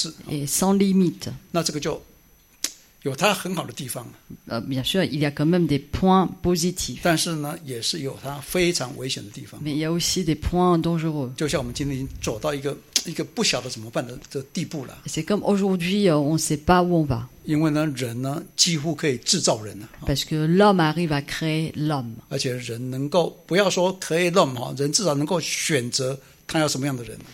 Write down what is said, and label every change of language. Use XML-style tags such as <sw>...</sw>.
<fr>Et sans limite. Bien sûr, il y a quand même des points positifs.</fr> <zh>但是呢，也是有它非常危险的地方。</zh> <fr>Mais il y a aussi des points dangereux.</fr> <zh>就像我们今天走到一个不晓得怎么办的地步了。</zh> <fr>C'est comme aujourd'hui, on ne sait pas où on va.</fr> <zh>因为呢，人呢几乎可以制造人了。</zh> <fr>Parce que l'homme arrive à créer l'homme.</fr> <zh>而且人能够不要说</zh> <fr>créer l'homme</fr> <zh>哈，人至少能够选择他要什么样的人。</zh>